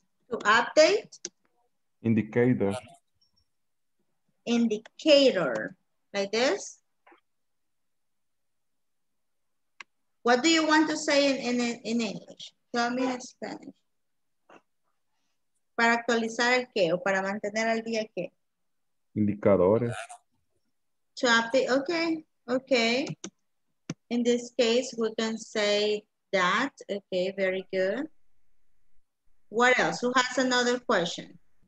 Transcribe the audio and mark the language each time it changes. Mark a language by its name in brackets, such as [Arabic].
[English] to update indicator like this. What do you want to say in English? Tell me in Spanish. [Spanish] Para actualizar el que o para mantener al día que indicadores. [English] To update, okay. In this case, we can say that. Okay, very good. What else? Who has another question?